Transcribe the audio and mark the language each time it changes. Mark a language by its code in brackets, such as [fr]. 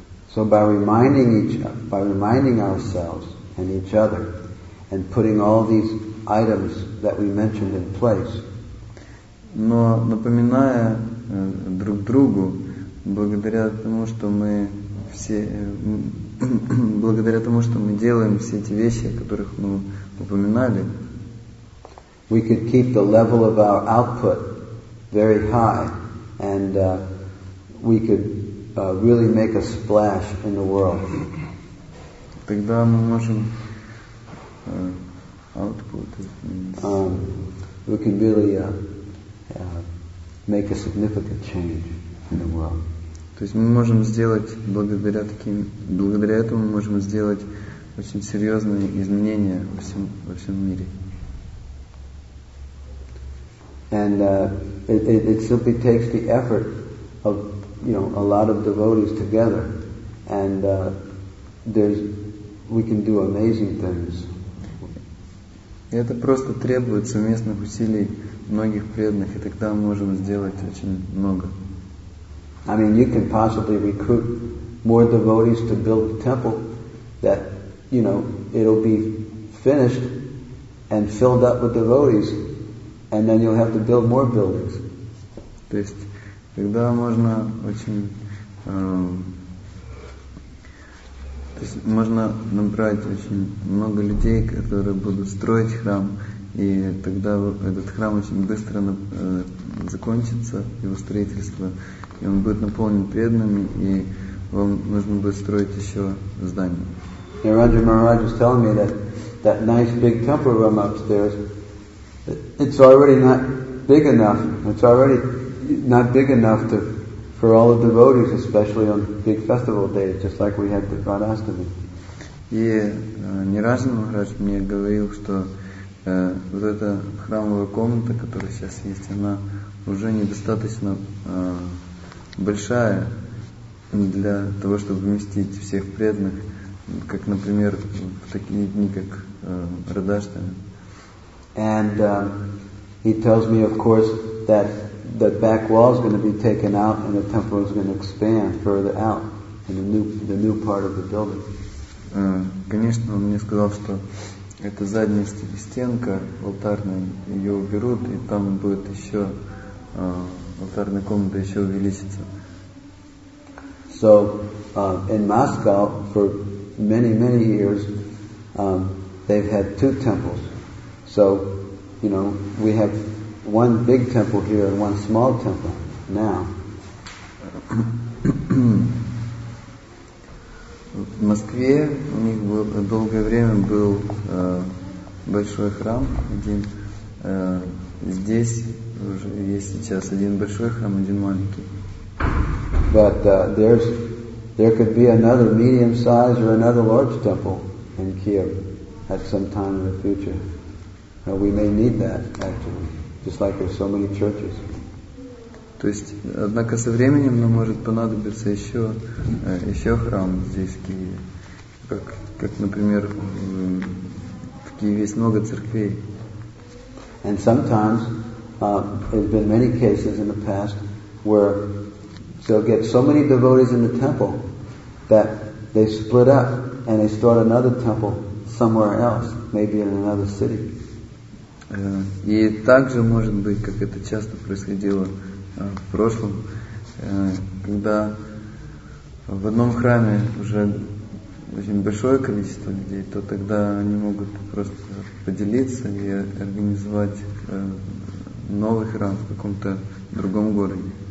[en] So by reminding each other, by reminding ourselves and each other, and putting all these items that we mentioned in place. [ru] Но напоминая друг другу, благодаря тому, что мы все, благодаря тому, что мы делаем все эти вещи, о которых мы упоминали, [en] we could keep the level of our output very high, and we could. Really make a splash in the world. [ru] Тогда мы можем output. [en] We can really make a significant change in the world. [ru] То есть мы можем сделать благодаря этому мы можем сделать очень серьезные изменения во всем мире. [en] And it simply takes the effort of, you know, a lot of devotees together, and we can do amazing things. [ru] Это просто требует совместных усилий многих преданных, и тогда мы можем сделать очень много. [en] I mean, you can possibly recruit more devotees to build the temple that, you know, it'll be finished and filled up with devotees, and then you'll have to build more buildings. [ru] То есть, тогда можно очень... То есть можно набрать очень много людей, которые будут строить храм, и тогда этот храм очень быстро закончится, его строительство, и он будет наполнен преданными, и вам нужно будет строить еще здание. [en] Niranjan Maharaj is telling me that that nice big temple room upstairs, it's already not big enough. It's already not big enough to for all the devotees, especially on big festival days, just like we had the Radhastami. [ru] И Ниранджан Махарадж мне говорил, что вот эта храмовая комната, которая сейчас есть, она уже недостаточно большая для того, чтобы вместить всех преданных, как, например, в такие дни, как Радхаштами. [en] And he tells me, of course, that the back wall is going to be taken out and the temple is going to expand further out in the new part of the building. [ru] Конечно, он мне сказал, что эта задняя стенка алтарная, ее уберут, и там будет еще алтарная комната еще увеличится. [en] So, in Moscow, for many, many years, they've had two temples. So, you know, we have one big temple here and one small temple now. [ru] В Москве у них долгое время был большой храм один. Здесь уже есть сейчас один большой храм, один маленький. [en] But there could be another medium size or another large temple in Kiev at some time in the future. We may need that actually, just like there's so many churches. [ru] То есть, однако со временем нам может понадобиться еще храм здесь, в Киеве. Как например, в Киеве есть много церквей. [en] And sometimes there's been many cases in the past where they'll get so many devotees in the temple that they split up and they start another temple somewhere else, maybe in another city. [ru] И также может быть, как это часто происходило в прошлом, когда в одном храме уже очень большое количество людей, то тогда они могут просто поделиться и организовать новый храм в каком-то другом городе.